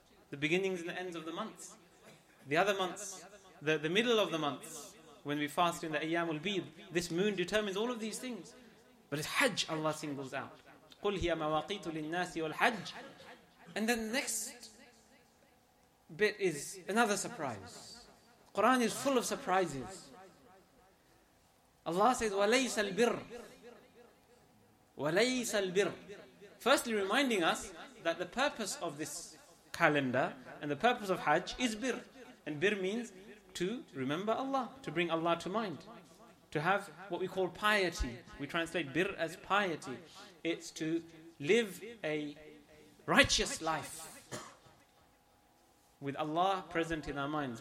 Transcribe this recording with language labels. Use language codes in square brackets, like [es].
[en] The beginnings and the ends of the months. The other months, the middle of the months, when we fast in the Ayyamul Bid, this moon determines all of these things. But it's Hajj Allah singles out. [ar] قُلْ هِيَ مَوَاقِيتُ لِلنَّاسِ وَالْحَجِّ. [en] And then the next bit is another surprise. Quran is full of surprises. Allah says, [ar] وَلَيْسَ الْبِرُّ وَلَيْسَ الْبِرُّ. [en] Firstly, reminding us that the purpose of this calendar and the purpose of Hajj is birr. And birr means to remember Allah, to bring Allah to mind, to have what we call piety. We translate birr as piety. It's to live a righteous life with Allah present in our minds.